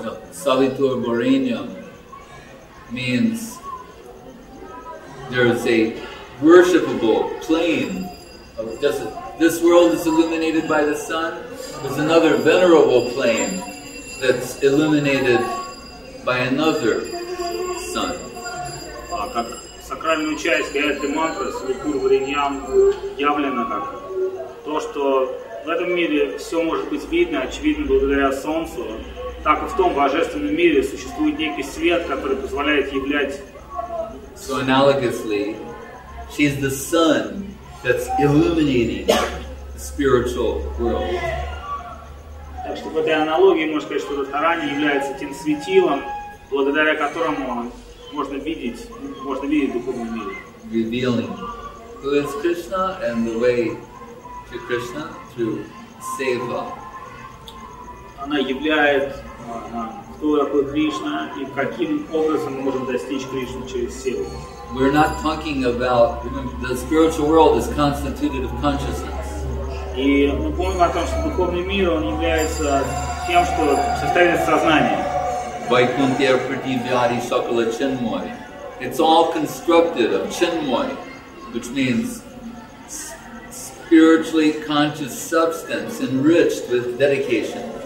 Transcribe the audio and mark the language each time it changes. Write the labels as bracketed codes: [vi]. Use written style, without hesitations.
[en] Salitur Borenium means there is a worshipable plane of this world is illuminated by the sun. There's another venerable plane that's illuminated by another sun. [ru] Сакральную часть этой мантры Салитур Вариньям явлено как то, что в этом мире все может быть видно, очевидно, благодаря солнцу, так и в том божественном мире существует некий свет, который позволяет являть. [en] So analogously, she's the sun that's illuminating the spiritual world. [ru] Так что в этой аналогии можно сказать, что Радхарани является тем светилом, благодаря которому можно видеть духовный мир. [en] Revealing who is Krishna and the way to Krishna through seva. [ru] Она являет кто такой Кришна и каким образом мы можем достичь Кришны через севу. [en] We're not talking about the spiritual world is constituted of consciousness. [ru] И мы помним о том, что духовный мир он является тем, что состоит из сознания. [sa] Vaikunthi Arpati Vyadi Sakala Chinmoy. [en] It's all constructed of Chinmoy, which means spiritually conscious substance enriched with dedication.